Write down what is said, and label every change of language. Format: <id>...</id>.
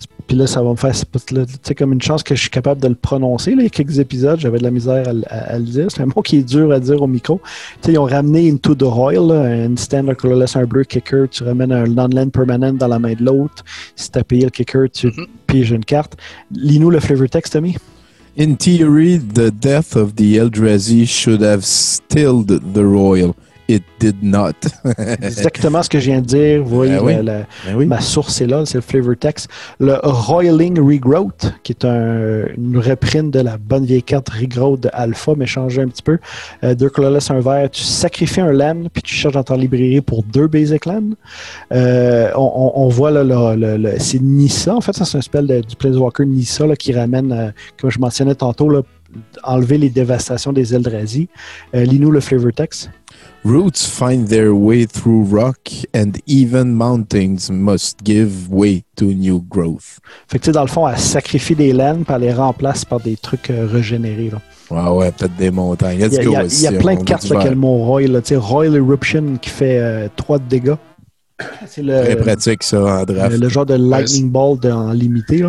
<fr>Puis là, ça va me faire ce pote-là. Tu sais, comme une chance que je suis capable de le prononcer. Là, il y a quelques épisodes, j'avais de la misère à le dire. C'est un mot qui est dur à dire au micro. Tu sais, ils ont ramené Into the Royal, un standard colorless, un bleu kicker. Tu ramènes un non-land permanent dans la main de l'autre. Si tu as payé le kicker, tu piges une carte. Lis-nous le flavor text, Tommy.</fr> <en>In theory, the death of the Eldrazi should have stilled the Royal. It did not.</en> <fr>Exactement ce que je viens de dire. Vous voyez, ma source est là, c'est le flavor text. Le Roiling Regrowth, qui est une reprinte de la bonne vieille carte Regrowth de Alpha, mais changée un petit peu. Deux colorless, un vert, tu sacrifies un land, puis tu cherches dans ta librairie pour deux basic lands. On voit là, le c'est Nissa, en fait, ça c'est un spell du Planeswalker Nissa là, qui ramène, comme je mentionnais tantôt, là, enlever les dévastations des Eldrazi. Lis-nous le flavor text.</fr> <en>Roots find their way through rock and even mountains must give way to new growth.</en> <fr>Fait que tu sais, dans le fond, elle sacrifie des laines puis elle les remplace par des trucs régénérés. Ah ouais, peut-être des montagnes.</fr> <en>Let's go</en> <fr>aussi. Il y a plein de cartes avec le mot Roy. Tu sais, Royal Eruption qui fait 3 de dégâts. C'est le, très pratique ça en draft. Le genre de lightning ball en limité. Là.</fr>